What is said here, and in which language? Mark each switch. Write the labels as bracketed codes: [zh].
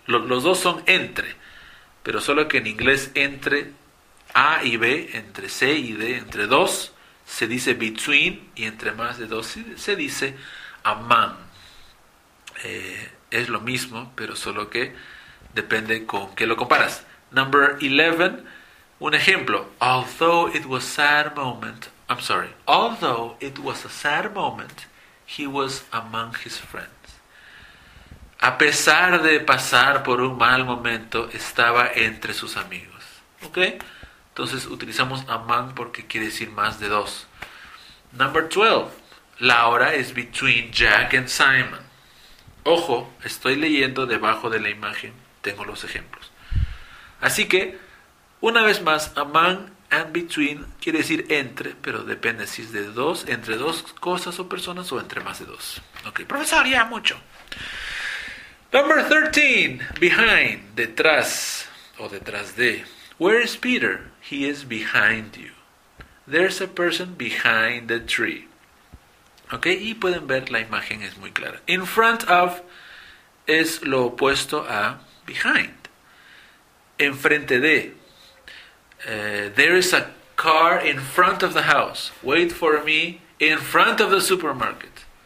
[es] Los dos son entre, pero solo que en inglés entre A y B, entre C y D, entre dos, se dice between y entre más de dos se dice among. Es lo mismo, pero solo que depende con qué lo comparas. [en] Number 11, [es] un ejemplo. [en] Although it was a sad moment, I'm sorry. Although it was a sad moment, he was among his friends. [es] A pesar de pasar por un mal momento, estaba entre sus amigos. ¿Ok? Entonces utilizamos among porque quiere decir más de dos. [en] Number 12. [es] La hora es [en] between Jack and Simon. [es] Ojo, estoy leyendo debajo de la imagen, tengo los ejemplos. Así que, una vez más, among and between quiere decir entre, pero depende si es de dos, entre dos cosas o personas o entre más de dos. Ok, profesor, ya mucho. [en] Number 13. Behind, [es] detrás o detrás de. [en] Where is Peter? He is behind you. There's a person behind the tree. ¿Ok? [es] Y pueden ver la imagen es muy clara. In front of es lo opuesto a behind. Enfrente de. [en] There is a car in front of the house. Wait for me in front of the supermarket.